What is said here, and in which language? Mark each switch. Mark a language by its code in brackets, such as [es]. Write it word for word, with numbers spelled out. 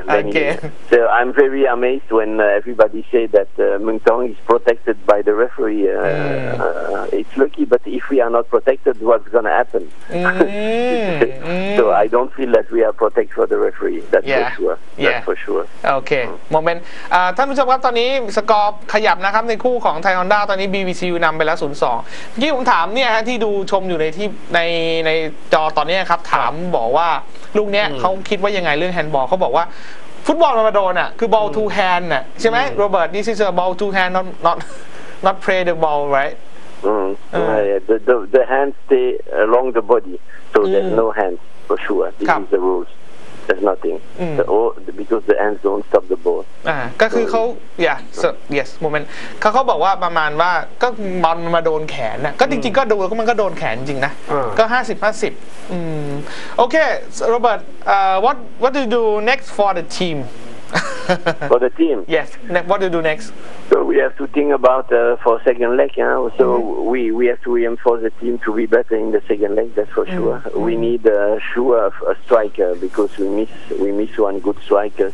[en] Again. So I'm very amazed when uh, everybody say that uh, Mung Thong is protected by the referee. Uh, mm. uh, it's lucky, but if we are not protected, what's going to happen? Mm. so I don't feel that we are protected for the referee. That's yeah. for sure. Yeah. That's for sure. Okay. Moment. [th] ท่านผู้ชมครับตอนนี้สกอร์ขยับนะครับในคู่ของไทยฮอนด้าตอนนี้ บี วี ซี ยู นำไปแล้ว ศูนย์สอง เมื่อกี้ผมถามเนี่ยฮะที่ดูชมอยู่ในที่ในในจอตอนนี้ครับถามบอกว่าลูกเนี้ยเขาคิดว่ายังไงเรื่องแฮนด์บอลเขาบอกว่าฟุตบอลมันมาโดนอ่ะคือบอล to hand น่ะใช่ไหมโรเบิร์ต [en] this is a ball to hand not not not play the ball right mm. uh. Uh, yeah. the, the the hand stay along the body so mm. there's no hand for sure this is the rules there's nothing the, all, because the hands don't stop the ball [th] อ่าก็คือเขา [en] yeah so, yes moment [th] เขาเขาบอกว่าประมาณว่าก็บอลมาโดนแขนน่ะก็จริงๆก็ดูแล้วมันก็โดนแขนจริงนะก็ห้าสิบ ห้าสิบ Mm. [en] Okay, so Robert. Uh, what what do you do next for the team? for the team. Yes. Ne- what do you do next? So we have to think about uh, for second leg. Yeah? So mm-hmm. we we have to reinforce the team to be better in the second leg. That's for sure. Mm-hmm. We need uh, sure a striker because we miss we miss one good striker.